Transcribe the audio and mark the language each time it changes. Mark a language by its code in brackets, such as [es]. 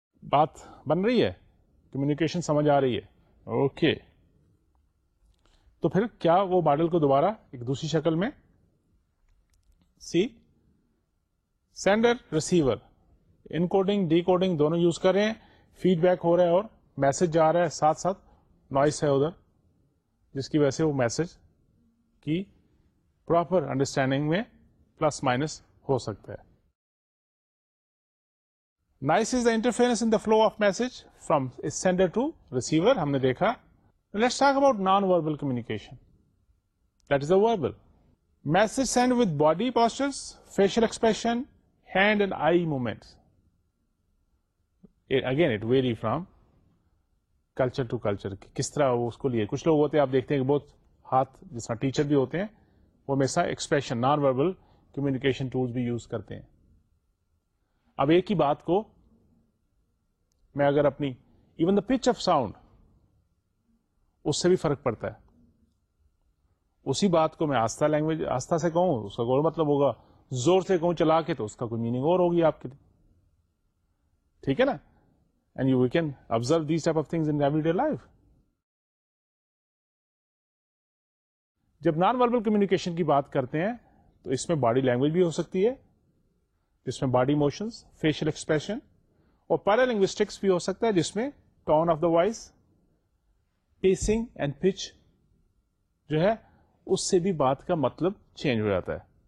[ur] بات بن رہی ہے, کمیونیکیشن سمجھ آ رہی ہے. اوکے, تو پھر کیا وہ ماڈل کو دوبارہ ایک دوسری شکل میں, سی سینڈر ریسیور انکوڈنگ ڈیکوڈنگ دونوں یوز کر رہے ہیں, فیڈ بیک ہو رہا ہے اور میسج جا رہا ہے, ساتھ ساتھ نوائز ہے ادھر جس کی وجہ سے وہ میسج کی پراپر انڈرسٹینڈنگ میں پلس مائنس ہو سکتا ہے. [en] Nice is the interference in the flow of message from its sender to receiver. [ur] Humne dekha. [en] Let's talk about non-verbal communication. That is the verbal. Message sent with body postures, facial expression, hand and eye movements. Again it vary from culture to culture [ur] کس طرح وہ اس کو لیے. کچھ لوگ ہوتے ہیں آپ دیکھتے ہیں کہ بہت ہاتھ جس طرح ٹیچر بھی ہوتے ہیں وہ ہمیشہ expression non verbal communication tools بھی یوز کرتے ہیں. اب ایک ہی بات کو میں اگر اپنی [en] even the pitch of sound [ur] اس سے بھی فرق پڑتا ہے. اسی بات کو میں آستہ لینگویج آستہ سے کہوں اس کا اور مطلب ہوگا, زور سے کہوں چلا کے تو اس کا کوئی میننگ اور ہوگی آپ کے, ٹھیک ہے نا. [en] And you we can observe these type of things in every day life. [ur] جب نان وربل کمیونیکیشن کی بات کرتے ہیں تو اس میں باڈی لینگویج بھی ہو سکتی ہے, جس میں باڈی موشنز فیشل ایکسپریشن اور پیرا لنگوسٹکس بھی ہو سکتا ہے, جس میں [en] tone of the voice pacing and pitch [ur] جو ہے اس سے بھی بات کا مطلب چینج ہو جاتا ہے.